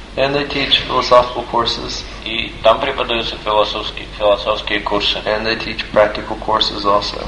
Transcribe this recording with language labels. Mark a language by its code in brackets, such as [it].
[en] And they teach philosophical courses. [ru] И там преподаются философские курсы. [en] And they teach practical courses also.